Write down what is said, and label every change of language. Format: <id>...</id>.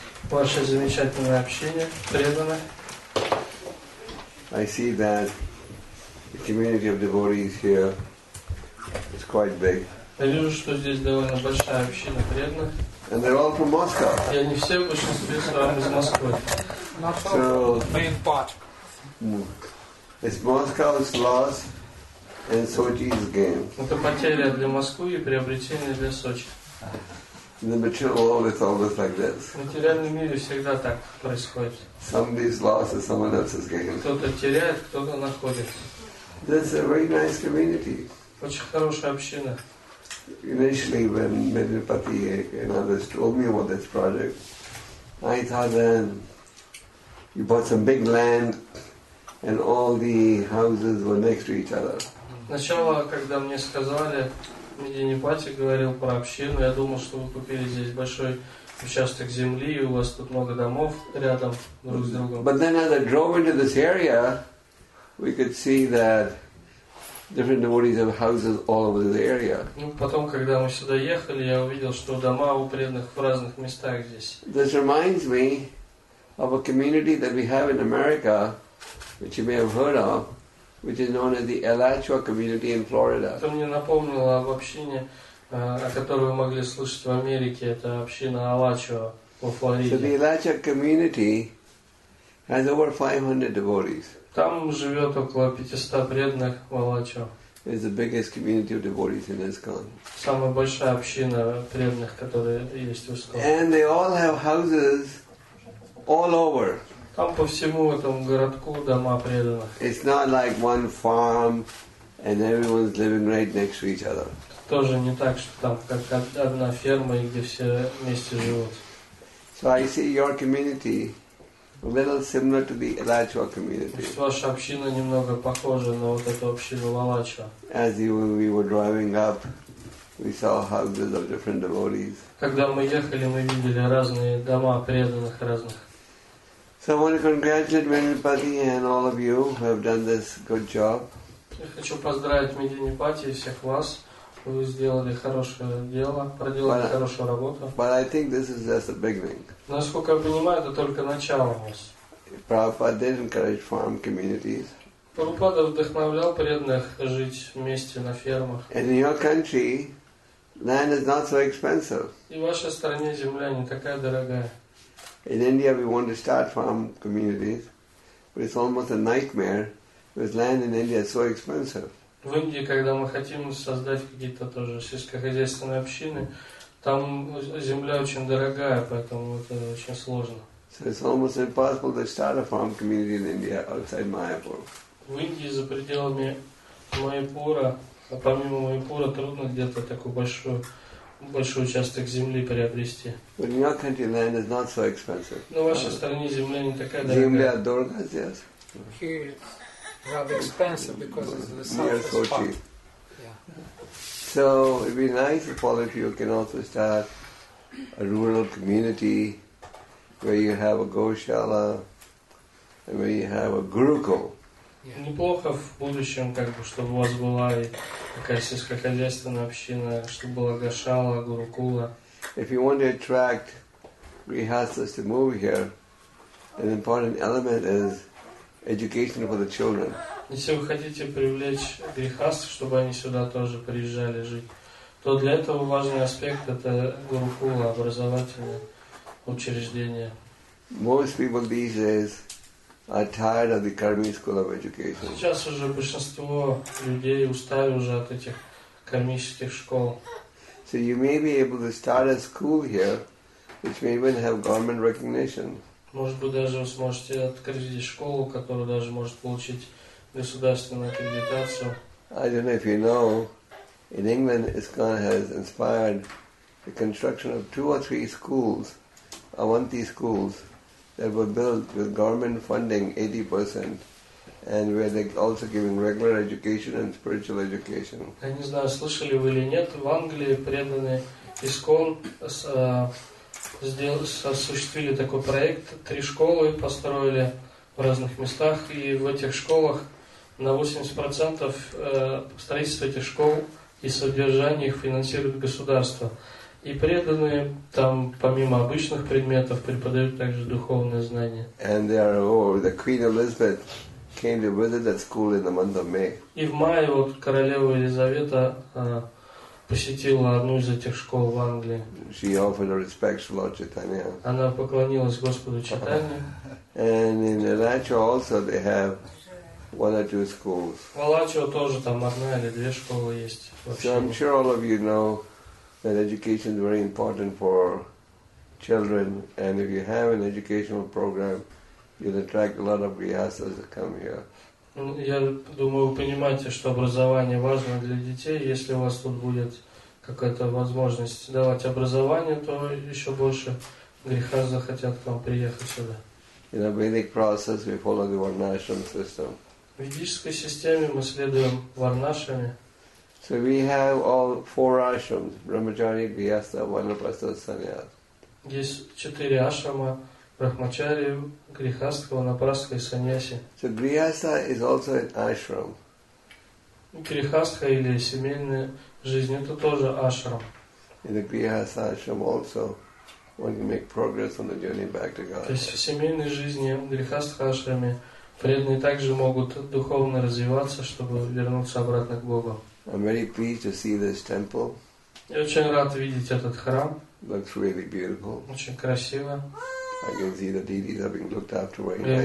<ru>Ваше замечательное общение, преданное.</ru> <en>I see that the community of devotees here is quite big.</en> <ru>Я вижу, что здесь довольно большая община преданных.</ru> <en>And they're all from Moscow.</en> <ru>И они все в большинстве своем из Москвы.</ru> <en>So, main part. It's Moscow's loss. And Sochi's gain.</en> <ru>Это потеря для Москвы и приобретение для Сочи.</ru> <en>The material world is always like this.</en> <ru>В материальном мире всегда так происходит.</ru> <en>Somebody's lost and someone else's gain.</en> <ru>Кто-то теряет, кто-то находит.</ru> <en>That's a very nice community.</en> <ru>Очень хорошая община.</ru> <en>Initially, when Medinapati and others told me about this project, I thought that you bought some big land and all the houses were next to each other.</en> <ru>Сначала, когда мне сказали, Мединипати говорил про общину, я думал, что вы купили здесь большой участок земли, и у вас тут много домов рядом друг с другом.</ru> <en>But then as I drove into this area, we could see that different devotees have houses all over the area.</en> <ru>Потом, когда мы сюда ехали, я увидел, что дома у преданных в разных местах здесь.</ru> <en>This reminds me of a community that we have in America, which you may have heard of, which is known as the Alachua community in Florida.</en> <ru>Это мне напомнило об общине, о которой вы могли слышать в Америке. Это община Алачуа во Флориде.</ru> <en>So the Alachua community has over 500 devotees.</en> <ru>Там живет около 500 преданных в Алачуа.</ru> <en>It's the biggest community of devotees in ISKCON.</en> <ru>Самая большая община преданных, которая есть в ISKCON.</ru> <en>And they all have houses all over.</en> <ru>Там по всему этому городку дома преданных.</ru> <en>It's not like one farm and everyone's living right next to each other.</en> <ru>Тоже не так, что там как одна ферма, где все вместе живут.</ru> <en>So I see your community a little similar to the Alachua community.</en> <ru>То есть ваша община немного похожа на вот эту общину Алачуа.</ru> <en>As even we were driving up, we saw houses of different devotees.</en> <ru>Когда мы ехали, мы видели разные дома преданных разных.</ru> <en>So I want to congratulate Medinapati and all of you who have done this good job.</en> <ru>Я хочу поздравить Мединипати и всех вас, вы сделали хорошее дело, проделали хорошую работу.</ru> <en>But I think this is just the beginning.</en> <ru>Насколько я понимаю, это только начало у нас.</ru> <en>Prabhupada did encourage farm communities.</en> <ru>Прабхупада вдохновлял преданных жить вместе на фермах.</ru> <en>And in your country, land is not so expensive.</en> <ru>И в вашей стране земля не такая дорогая.</ru> <en>In India, we want to start farm communities, but it's almost a nightmare because land in India is so expensive.</en> <ru>В Индии, когда мы хотим создать какие-то тоже сельскохозяйственные общины, там земля очень дорогая, поэтому это очень сложно.</ru> <en>So it's almost impossible to start a farm community in India outside Mayapur.</en> <ru>В Индии за пределами Майпура, а помимо Майпура, трудно где-то такую большой участок земли приобрести.</ru> <en>But in your country, land is not so expensive.</en> <ru>Но в вашей стране земля не такая дорогая. Земля дорога,</ru> <en>yes. Here it's rather expensive because it's the south part. So it'd be nice if all of you can also start a rural community where you have a goshala and where you have a gurukul.</en> <ru>Неплохо в будущем, как бы, чтобы у вас была и такая сельскохозяйственная община, чтобы была гошала, гурукула.</ru> <en>If you want to attract grihasthas to move here, an important element is education for the children.</en> <ru>Если вы хотите привлечь грихастх, чтобы они сюда тоже приезжали жить, то для этого важный аспект — это гурукула, образовательное учреждение.</ru> <en>Most people these days are tired of the Karmi school of education.</en> <ru>Сейчас уже большинство людей устали уже от этих кармических школ.</ru> <en>So you may be able to start a school here, which may even have government recognition.</en> <ru>Может быть, даже вы сможете открыть здесь школу, которая даже может получить государственную аккредитацию.</ru> <en>I don't know if you know, in England, ISKCON has inspired the construction of two or three schools, Avanti schools, that were built with government funding 80%, and where they also giving regular education and spiritual education.</en> <ru>Я не знаю, слышали вы или нет, в Англии преданные ИСКОН осуществили такой проект, три школы построили в разных местах, и в этих школах на 80% строительство этих школ и содержание их финансирует государство. И преданные там, помимо обычных предметов, преподают также духовные знания.</ru> <en>And they are, the Queen Elizabeth came to visit that school in the month of May.</en> <ru>И в мае вот королева Елизавета посетила одну из этих школ в Англии.</ru> <en>She offered her respects to Lord Chaitanya.</en> <ru>Она поклонилась Господу Чайтанье.</ru> <en>And in Valacho also they have one or two schools.</en> <ru>В Валачо тоже там одна или две школы есть.</ru> <en>So I'm sure all of you know that education is very important for children, and if you have an educational program, you'll attract a lot of vyasas to come here.</en> <ru>Я думаю, вы понимаете, что образование важно для детей. Если у вас тут будет какая-то возможность давать образование, то еще больше греха захотят к вам приехать сюда.</ru> <en>In a Vedic process, we follow the Varnashram system.</en> <ru>В ведической системе мы следуем Варнашраме.</ru> <en>So we have all four ashrams: Brahmachari, Grihastha, Vanaprastha, Sannyas.</en> <ru>Есть четыре ашрама: Брахмачари, Грихастха, Ванапрастха и Саньяси.</ru> <en>So Grihastha is also an ashram.</en> <ru>Грихастха или семейная жизнь — это тоже ашрам.</ru> <en>In the Grihastha ashram also, one can make progress on the journey back to God.</en> <ru>То есть в семейной жизни, в Грихастха ашраме, преданные также могут духовно развиваться, чтобы вернуться обратно к Богу.</ru> <en>I'm very pleased to see this temple.</en> <ru>Я очень рад видеть этот храм.</ru> <en>Looks really beautiful.</en> <ru>Очень красиво.</ru> <en>I can see the deities are being looked after very nicely.</en>